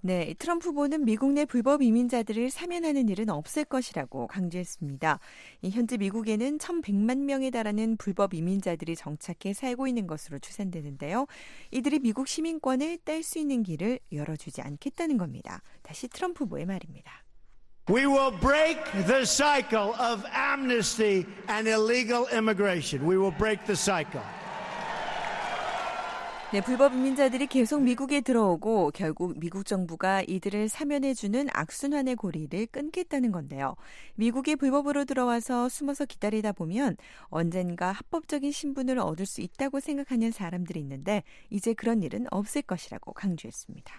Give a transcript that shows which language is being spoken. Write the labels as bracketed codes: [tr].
[ko] 네, 트럼프 후보는 미국 내 불법 이민자들을 사면하는 일은 없을 것이라고 강조했습니다. 현재 미국에는 1,100만 명에 달하는 불법 이민자들이 정착해 살고 있는 것으로 추산되는데요. 이들이 미국 시민권을 딸 수 있는 길을 열어주지 않겠다는 겁니다. 다시 트럼프 후보의 말입니다. [en] We will break the cycle of amnesty and illegal immigration. We will break the cycle. [ko] 네, 불법 이민자들이 계속 미국에 들어오고 결국 미국 정부가 이들을 사면해주는 악순환의 고리를 끊겠다는 건데요. 미국에 불법으로 들어와서 숨어서 기다리다 보면 언젠가 합법적인 신분을 얻을 수 있다고 생각하는 사람들이 있는데 이제 그런 일은 없을 것이라고 강조했습니다.